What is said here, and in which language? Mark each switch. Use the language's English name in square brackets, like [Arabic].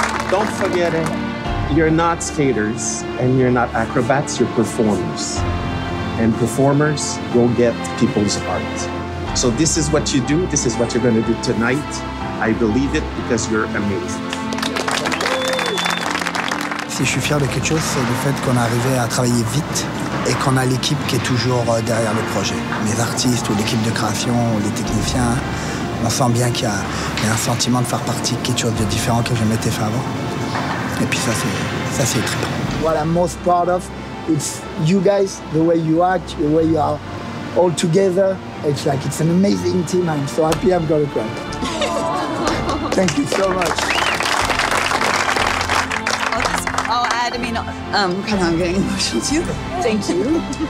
[English] Don't forget it. You're not skaters and you're not acrobats. You're performers. And performers go get people's art. So this is what you do, this is what you're gonna do tonight. I believe it because you're amazing. [French] Si je suis fier de quelque chose, c'est le fait qu'on est arrivé à travailler vite et qu'on a l'équipe qui est toujours derrière le projet. Les artistes ou l'équipe de création ou les techniciens, on sent bien qu'il y a un sentiment de faire partie de quelque chose de différent que je m'étais fait avant. Et puis ça c'est trippant. [English] What I'm most proud of. It's you guys, the way you act, the way you are all together. It's an amazing team. I'm so happy I've got a crowd. Thank you so much. I'll add, kind of getting emotional too. Thank you.